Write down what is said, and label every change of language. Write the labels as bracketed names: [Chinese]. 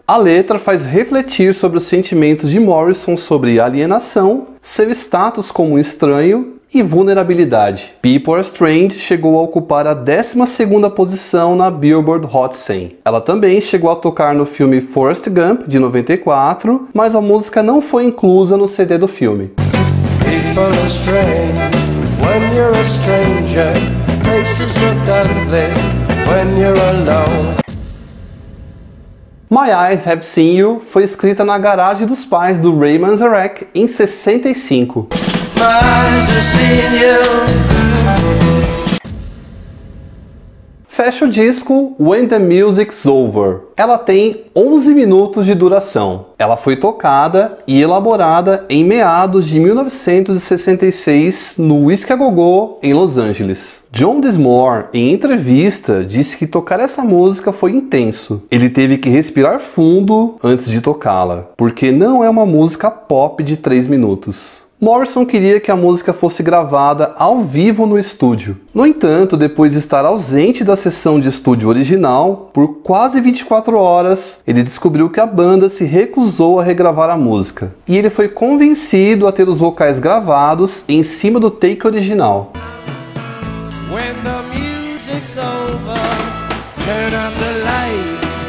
[Portuguese] A letra faz refletir sobre os sentimentos de Morrison sobre alienação, seu status como estranho e vulnerabilidade. People Are Strange chegou a ocupar a 12ª posição na Billboard Hot 100. Ela também chegou a tocar no filme Forrest Gump, de 94, mas a música não foi inclusa no CD do filme. [English] People are strange when you're a stranger. Faces look ugly when you're alone. [Portuguese] My Eyes Have Seen You foi escrita na garagem dos pais do Ray Manzarek em 65. [English] My eyes have seen you. [Portuguese] fecha o disco When the Music's Over. Ela tem 11 minutos de duração. Ela foi tocada e elaborada em meados de 1966 no Whisky a Go-Go em Los Angeles. John Densmore, em entrevista, disse que tocar essa música foi intenso. Ele teve que respirar fundo antes de tocá-la, porque não é uma música pop de 3 minutos. Morrison queria que a música fosse gravada ao vivo no estúdio. No entanto, depois de estar ausente da sessão de estúdio original, por quase 24 horas, ele descobriu que a banda se recusou a regravar a música. E ele foi convencido a ter os vocais gravados em cima do take original. [English] When the music's over, turn up the light.